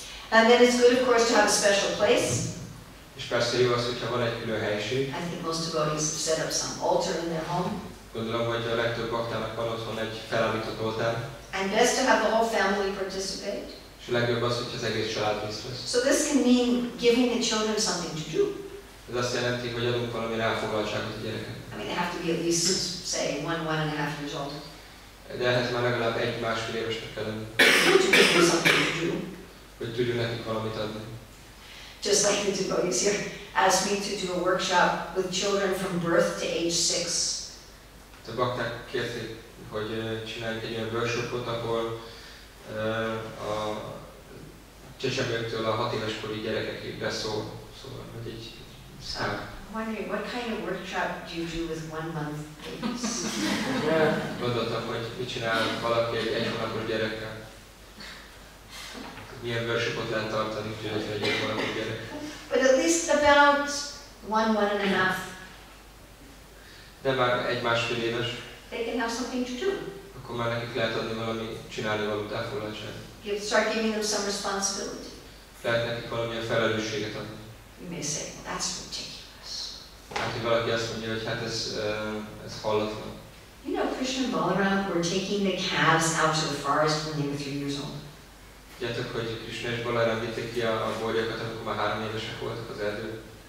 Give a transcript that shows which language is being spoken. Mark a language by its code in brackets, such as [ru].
[en] And then it's good, of course, to have a special place. [hu] És persze jó az, hogyha van egy külön helyiség. [en] I think most devotees have set up some altar in their home. [hu] Gondolom, hogy a legtöbb baktának van otthon egy felállított oltár. [en] And best to have the whole family participate. [hu] És a legjobb az, hogy az egész család részt vesz. [en] So this can mean giving the children something to do. [hu] Ez azt jelenti, hogy adunk valami ráfoglaltságot a gyerekeknek. [en] I mean, they have to be at least, say, 1-1.5 years old. [hu] De ehhez már legalább 1-1.5 évesnek kell lenni. [en] To give them something to do. [hu] Hogy tudjunk nekik valamit adni. [en] Just like the devotees here asked me to do a workshop with children from birth to age 6. [hu] A bakták kérték, hogy csináljunk egy olyan workshopot, ahol a csecsemőktől a 6 éves korú gyerekekig beszól, szóval, hogy egy szám. [en] Wondering, what kind of workshop do you do with 1 month babies? [hu] Gondoltam, hogy mit csinál valaki egy hónapos gyerekkel. Milyen workshopot lehet tartani, hogy egy hónapos gyerek. [en] But at least about 1-1.5. [hu] De már 1-1.5 éves. [en] They can have something to do. [hu] Akkor már nekik lehet adni valami csinálni valót, elfoglaltságot. [en] Give, start giving them some responsibility. [hu] Lehet nekik valamilyen felelősséget adni. [en] You may say, well, that's ridiculous. [hu] Hát, hogy valaki azt mondja, hogy hát ez hallatlan. [en] You know, Krishna and Balaram were taking the calves out of the forest when they were 3 years old. [hu] Tudjátok, hogy Krishna és Balaram vitték ki a bolyokat, amikor már 3 évesek voltak az erdőben.